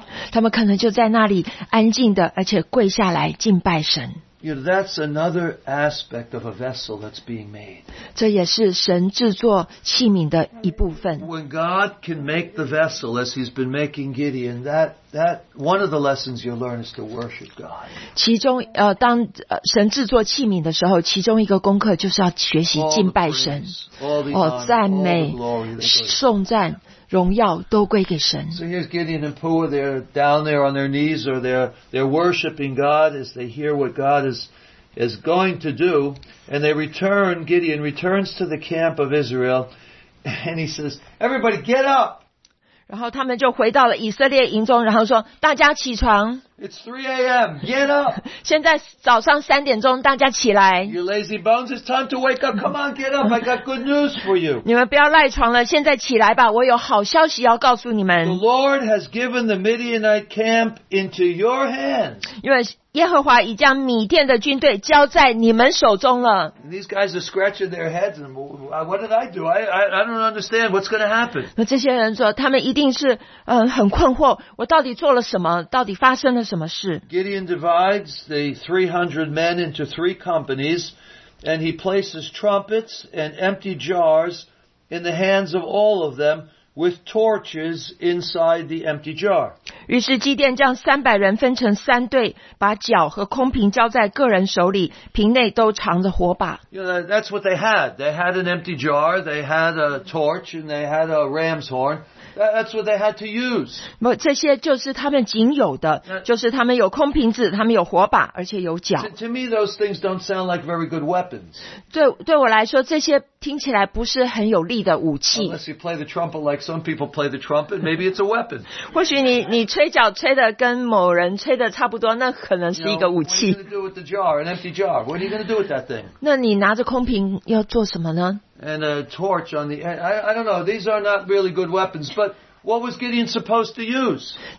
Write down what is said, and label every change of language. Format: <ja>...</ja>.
<zh>他们可能就在那里安静的，而且跪下来敬拜神。</zh> <en>You know, that's another aspect of a vessel that's being made.</en> <zh>这也是神制作器皿的一部分。</zh> <en>When God can make the vessel as he's been making Gideon, that one of the lessons you learn is to worship God.</en> <zh>其中, 当神制作器皿的时候, 其中一个功课就是要学习敬拜神。赞美、颂赞。荣耀都归给神。</zh> <en>So here's Gideon and Pua, they're down there on their knees or they're worshiping God as they hear what God is going to do. And they return, Gideon returns to the camp of Israel and he says, everybody get up!</en> <zh>然后他们就回到了以色列营中,然后说,大家起床!</zh> <en>It's 3 a.m. Get up.</en> <zh>现在早上3点钟, 大家起来。</zh> <en>You lazy bones, it's time to wake up. Come on, get up. I got good news for you.</en> <zh>你们不要赖床了, 现在起来吧, 我有好消息要告诉你们。</zh> <en>The Lord has given the Midianite camp into your hands.</en> <zh>因为耶和华已将米甸的军队交在你们手中了。</zh> <en>These guys are scratching their heads and what did I do? I don't understand what's going to happen.</en> <zh>那这些人说, 他们一定是, 很困惑, 我到底做了什么, 到底发生了什么。</zh> <en>Gideon divides the 300 men into three companies, and he places trumpets and empty jars in the hands of all of them with torches inside the empty jar.</en> <zh>于是基甸将300人分成三队, 把角和空瓶交在个人手里, 瓶内都藏着火把。</zh> <en>You know, that's what they had. They had an empty jar, they had a torch, and they had a ram's horn. That's what they had to use.</en> <zh>这些就是他们仅有的, 就是他们有空瓶子, 他们有火把, 而且有脚。</zh> <en>To me, those things don't sound like very good weapons.</en> <zh>对我来说, 这些听起来不是很有力的武器。</zh> <en>Unless you play the trumpet like some people play the trumpet, maybe it's a weapon.</en> <zh>或许你吹角吹得跟某人吹得差不多, 那可能是一个武器。</zh> <en>You know, what are you going to do with the jar, an empty jar? What are you going to do with that thing?</en> <zh>那你拿着空瓶要做什么呢?</zh> <en>And a torch on the end. I don't know. These are not really good weapons. But what was Gideon supposed to use?</en>